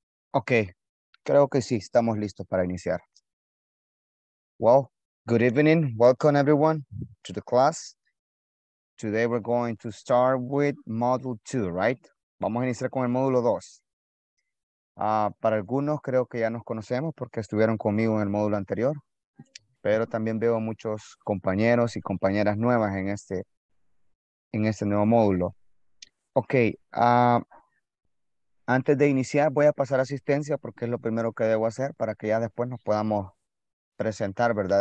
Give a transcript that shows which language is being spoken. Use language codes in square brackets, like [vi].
[es] Ok, creo que sí, estamos listos para iniciar. Wow, [en] Good evening. Welcome everyone to the class. Today we're going to start with module 2, right? [es] Vamos a iniciar con el módulo 2. Para algunos creo que ya nos conocemos porque estuvieron conmigo en el módulo anterior, pero también veo muchos compañeros y compañeras nuevas en este nuevo módulo. Okay, antes de iniciar voy a pasar asistencia porque es lo primero que debo hacer para que ya después nos podamos presentar, ¿verdad?